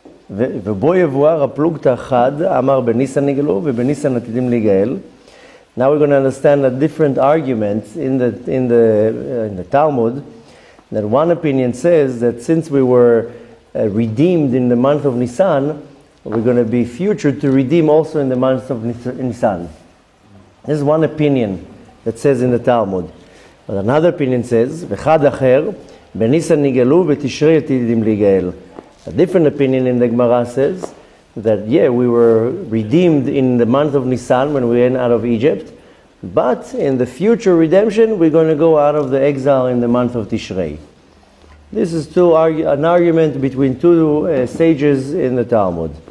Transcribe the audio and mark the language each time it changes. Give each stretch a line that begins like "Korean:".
Hebrew: ובוא יבואר הפלוגת אחד אמר בניסן נגלו ובניסן עתידים להיגאל.
English: Now we're going to understand a different argument in the Talmud, that one opinion says that since we were redeemed in the month of Nisan, we're going to be future to redeem also in the month of Nisan. This is one opinion that says in the Talmud. But another opinion says,
Hebrew: וחד אחר בניסן נגלו ותשרי עתידים להיגאל.
English: A different opinion in the Gemara says that, yeah, we were redeemed in the month of Nisan when we went out of Egypt, but in the future redemption, we're going to go out of the exile in the month of Tishrei. This is an argument between two sages in the Talmud.